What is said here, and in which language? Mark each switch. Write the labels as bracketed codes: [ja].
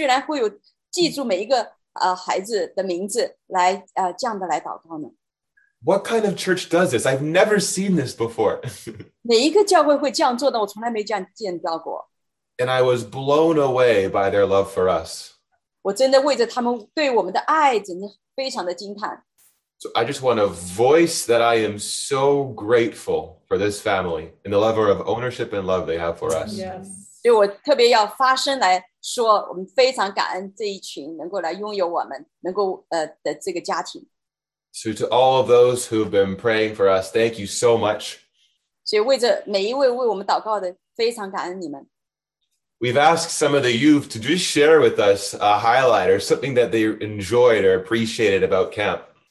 [zh] 这是谁能够让他们这样,他甚至都没有去到那样的营会,居然会有记住每一个 孩子的名字来这样的来祷告呢? [en] What kind of church does this? I've never seen this before. [zh] 哪一个教会会这样做的,我从来没这样见到过。 [en] And I was blown away by their love for us. [zh] 我真的为着他们对我们的爱真的非常的惊叹。 [en] So I just want to voice that I am so grateful for this family and the level of ownership and love they have for us. Yes. [zh] 所以我特别要发声来说,我们非常感恩这一群能够来拥有我们,能够的这个家庭。 [en] So to all of those who have been praying for us, thank you so much. [zh] 所以为着每一位为我们祷告的,非常感恩你们。 [en] We've asked some of the youth to just share with us a highlight or something that they enjoyed or appreciated about camp.